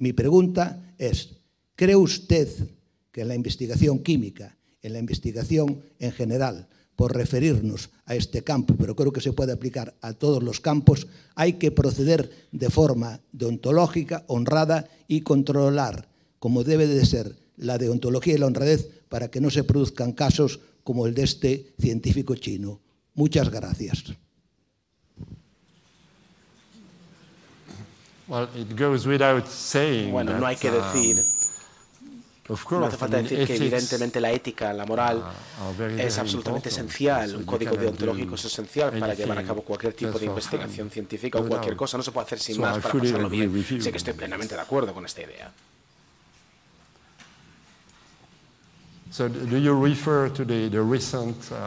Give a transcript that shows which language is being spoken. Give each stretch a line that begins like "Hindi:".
Spanish: Mi pregunta es, ¿cree usted que en la investigación química, en la investigación en general, por referirnos a este campo, pero creo que se puede aplicar a todos los campos, hay que proceder de forma deontológica, honrada y controlar, como debe de ser, la deontología y la honradez para que no se produzcan casos como el de este científico chino? Muchas gracias.
English: Well, it goes without saying.
Spanish: Bueno,
English: that,
Spanish: no hay que decir.
English: Of course,
Spanish: no hace falta decir que evidentemente la ética, la moral es absolutamente esencial, un código deontológico es esencial para llevar a cabo cualquier tipo de investigación científica o cualquier cosa, no se puede hacer sin más para pasarlo bien. Sé que estoy plenamente de acuerdo con esta idea.
English: So do you refer to the recent